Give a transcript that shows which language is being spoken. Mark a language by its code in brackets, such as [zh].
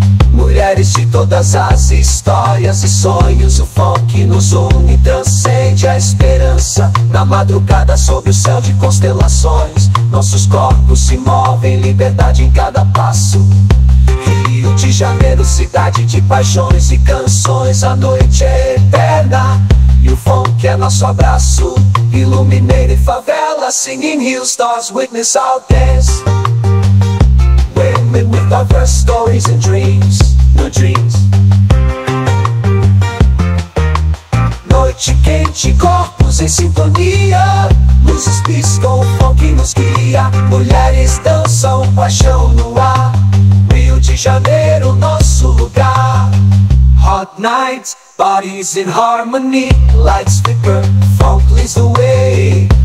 [pt] Mulheres de todas as histórias e sonhos, o funk nos une, transcende a esperança. Na madrugada sob o céu de constelações, nossos corpos se movem, liberdade em cada passo. Rio de Janeiro, cidade de paixões e canções, a noite é eterna e o funk é nosso abraço. [en] Illuminated favela, singing hill stars, witness our dance. Women with diverse stories and dreams, new dreams. [pt] Noite quente, corpos em sintonia, luzes piscam, funk nos guia. Mulheres dançam, paixão no ar. Rio de Janeiro, nosso lugar. [en] Hot nights, bodies in harmony, lights flicker, funk leads the way.